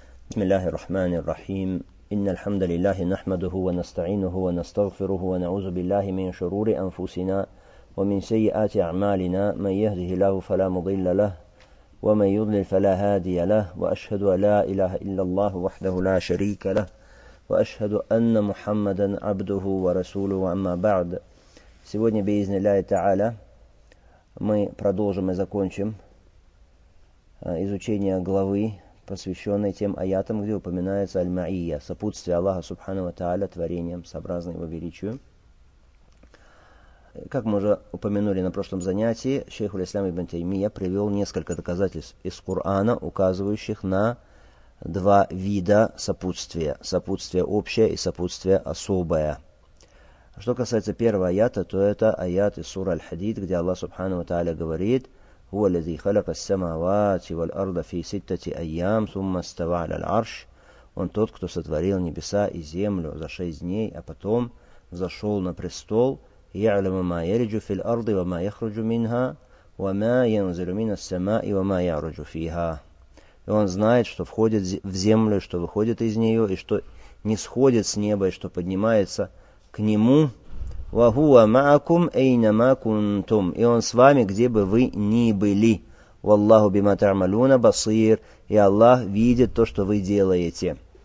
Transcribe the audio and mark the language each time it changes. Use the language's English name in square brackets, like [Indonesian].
[Arabic] بسم الله الرحمن الرحيم إن الحمد لله نحمده ونستعينه ونستغفره ونعوذ بالله من شرور أنفسنا ومن سيئات أعمالنا من يهده الله فلا مضل له ومن يضلل فلا هادي له وأشهد أن لا إله إلا الله وحده لا شريك له وأشهد أن محمدا عبده ورسوله وأما بعد [Russian] Сегодня [Arabic] بإذن الله تعالى [Russian] мы продолжим и закончим изучение главы посвященной тем аятам, где упоминается Аль-Ма'ия, сопутствие Аллаха Субхану ва Та'аля творением, сообразно его величию. Как мы уже упомянули на прошлом занятии, шейх Уль-Ислам ибн Таймия привел несколько доказательств из Кур'ана, указывающих на два вида сопутствия. Сопутствие общее и сопутствие особое. Что касается первого аята, то это аят из сура Аль-Хадид, где Аллах Субхану ва Та'аля говорит: [Arabic] هو الذي خلق السماوات والأرض في ستة أيام ثم استوى على العرش. [Russian] Он тот, кто сотворил небеса и землю за шесть дней, а потом взошел на престол. [Arabic] يعلم ما يلج في الأرض وما يخرج منها وما ينزل من السماء وما يعرج فيها. [Russian] И он знает, что входит в землю, что выходит из нее, и что нисходит с неба, и что поднимается к нему. [Arabic] وَهُوَ مَعَكُمْ أَيْنَمَا كُنْتُمْ [Russian] И он с вами, где бы вы ни были. [Arabic] وَاللَّهُ بِمَا تَعْمَلُونَ بَصِيرٌ [Russian] И Аллах видит то, что вы делаете.